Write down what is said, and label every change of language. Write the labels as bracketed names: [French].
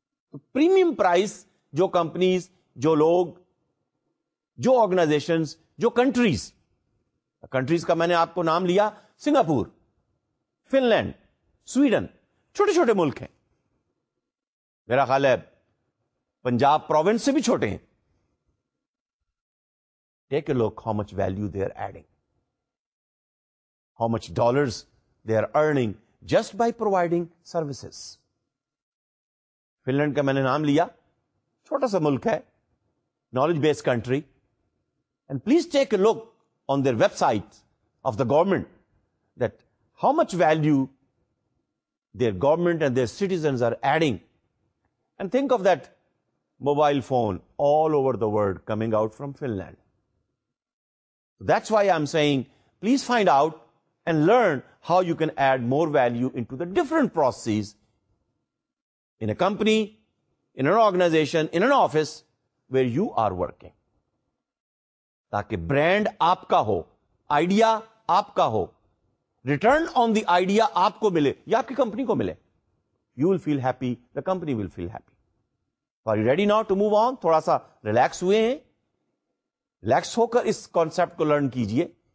[Urdu] تو premium price جو companies, جو لوگ, جو آرگنائزیشنز, جو کنٹریز, کنٹریز کا میں نے آپ کو نام لیا, سنگاپور, فن لینڈ, سویڈن, چھوٹے چھوٹے ملک ہیں, میرا خیال ہے پنجاب پروونس سے بھی چھوٹے ہیں. [English] Take a look how much value they are adding, how much dollars they are earning just by providing services. [Urdu] Fun land کا میں نے نام لیا, چھوٹا سا ملک ہے, [English] Knowledge base country, and please take a look on their website of the government that how much value their government and their citizens are adding. And think of that mobile phone all over the world coming out from Finland. That's why I'm saying please find out and learn how you can add more value into the different processes in a company, in an organization, in an office where you are working. [Urdu] تاکہ brand آپ کا ہو, idea آپ کا ہو, [English] return on the idea [Urdu] آپ کو ملے یا آپ کی کمپنی کو ملے, [English] you will feel happy, [Urdu] the company will feel happy. [English] Are you ready now to move on? [Urdu] تھوڑا سا ریلیکس ہوئے ہیں, ریلیکس ہو کر اس کانسیپٹ کو لرن کیجئے.